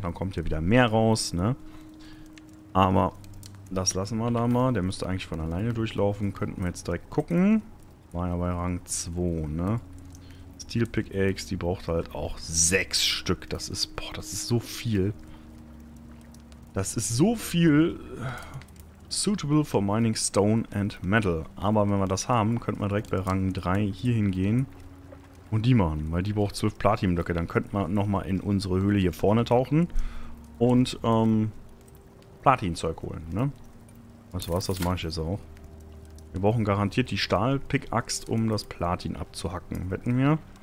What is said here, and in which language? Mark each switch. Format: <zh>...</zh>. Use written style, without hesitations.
<de>Dann kommt ja wieder mehr raus, ne? Aber das lassen wir da mal. Der müsste eigentlich von alleine durchlaufen. Könnten wir jetzt direkt gucken. War ja bei Rang 2, ne? Steel Pickaxe, die braucht halt auch 6 Stück. Das ist, boah, das ist so viel. Das ist so viel.</de> <en>Suitable for mining stone and metal.</en> <de>Aber wenn wir das haben, könnten wir direkt bei Rang 3 hier hingehen. Und die machen, weil die braucht 12 Platinblöcke. Dann könnten wir nochmal in unsere Höhle hier vorne tauchen. Und, Platin-Zeug holen, ne? Weißt du was, das mache ich jetzt auch. Wir brauchen garantiert die Stahl-Pickaxt, um das Platin abzuhacken, wetten wir.</de>